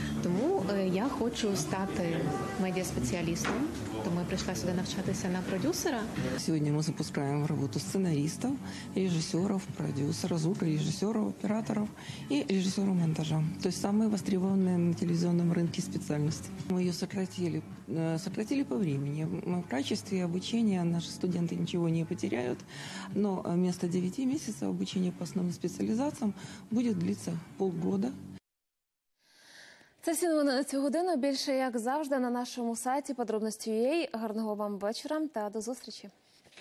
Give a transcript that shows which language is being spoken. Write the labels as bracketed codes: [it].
[uk] Тому я хочу стати медіаспеціалістом, тому я прийшла сюди навчатися на продюсера. Сьогодні ми запускаємо роботу сценаристів, режисерів, продюсера, звукорежисерів, операторів і режисерів монтажу. Тобто саме востребовані на телевізійному ринку спеціальності. Ми її [ru] сократили по времени. В качестве обучения наши студенты ничего не потеряют, но вместо 9 месяцев обучения по основным специализациям будет длиться полгода. [uk] Це всі новини на цю годину. Більше, як завжди, на нашому сайті подробності.ua. Гарного вам вечора та до зустрічі.